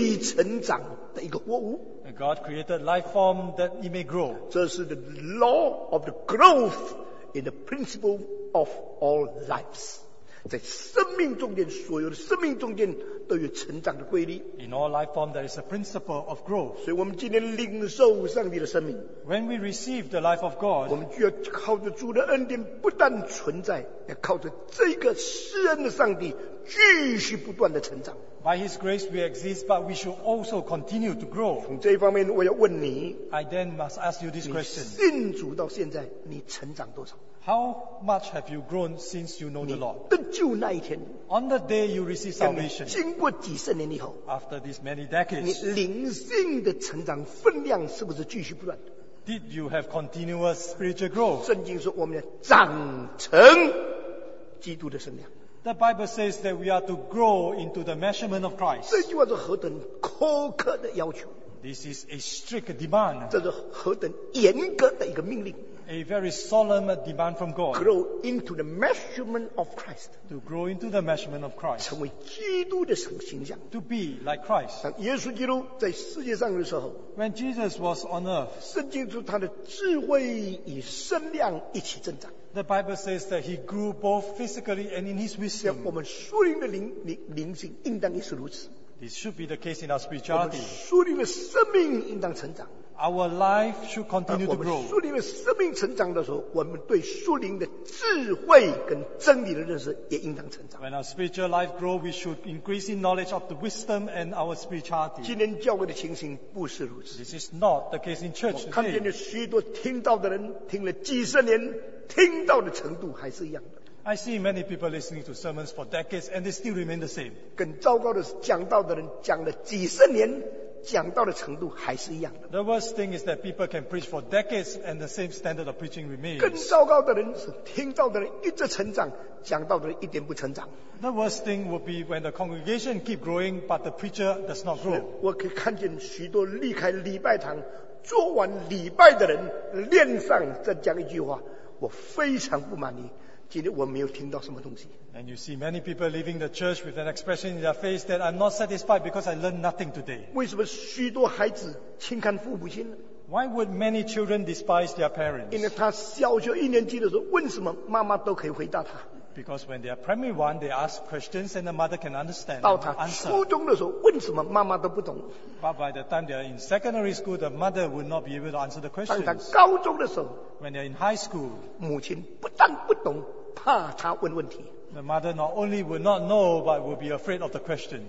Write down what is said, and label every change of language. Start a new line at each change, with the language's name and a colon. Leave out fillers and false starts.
Chinese: 上帝把生命造成一个可以成长的一个活物,
English: God created life form that it may grow.
Chinese: 这是
English: the law of the growth in the principle of all lives.
Chinese: 在生命中间，所有的生命中间都有成长的规律。
English: In all life form there is a principle of growth.
Chinese: 所以我们今天领受上帝的生命,
English: when we receive the life of God,
Chinese: 我们就要靠着主的恩典不断存在，要靠着这个施恩的上帝继续不断的成长。
English: By His grace we exist, but we should also continue to grow.
Chinese: 从这一方面我要问你,
English: I then must ask you this question.
Chinese: 你信主到现在，你成长多少？
English: How much have you grown since you know the Lord?
Chinese: 得救那一天,
English: on the day you receive salvation,
Chinese: 经过几十年以后,
English: after these many decades,
Chinese: 你灵性的成长分量是不是继续不断?
English: Did you have continuous spiritual growth?
Chinese: 圣经说我们要长成基督的身量。
English: The Bible says that we are to grow into the measurement of Christ.
Chinese: 这句话是何等苛刻的要求?
English: This is a strict demand.
Chinese: 这是何等严格的一个命令?
English: A very solemn demand from God. Grow into the measurement of Christ. To grow into the measurement of Christ.
Chinese: 成为基督的形象,
English: to be like Christ.
Chinese: 当耶稣基督在世界上的时候,
English: when Jesus was on earth,
Chinese: 圣经说他的智慧与身量一起增长,
English: the Bible says that he grew both physically and in his wisdom.
Chinese: 我们属灵的灵性应当也是如此。
English: This should be the case in our spirituality.
Chinese: 我们属灵的生命应当成长。
English: Our life should continue to grow.
Chinese: 我们属灵的生命成长的时候，我们对属灵的智慧跟真理的认识也应当成长。
English: When our spiritual life grow, we should increase in knowledge of the wisdom and our spirituality.
Chinese: 今天教会的情形不是如此。
English: This is not the case in church today.
Chinese: 我看见了许多听到的人，听了几十年，听到的程度还是一样的。
English: I see many people listening to sermons for decades and they still remain the same.
Chinese: 更糟糕的是，讲道的人讲了几十年，讲道的程度还是一样的。
English: The worst thing is that people can preach for decades and the same standard of preaching remains.
Chinese: 更糟糕的人是听道的人一直成长，讲道的人一点不成长。
English: The worst thing would be when the congregation keep growing but the preacher does not grow.
Chinese: 我可以看见许多离开礼拜堂做完礼拜的人脸上再讲一句话，我非常不满意。今天我没有听到什么东西。
English: And you see many people leaving the church with an expression in their face that I'm not satisfied because I learned nothing today.
Chinese: 为什么许多孩子轻看父母亲呢？
English: Why would many children despise their parents?
Chinese: 因为他小学一年级的时候，问什么妈妈都可以回答他。
English: Because when they are primary one, they ask questions and the mother can understand.
Chinese: 到他初中的时候，问什么妈妈都不懂。
English: But by the time they are in secondary school, the mother would not be able to answer the questions.
Chinese: 当他高中的时候，
English: when they are in high school,
Chinese: 母亲不但不懂。怕他问问题。
English: The mother not only will not know, but will be afraid of the questions.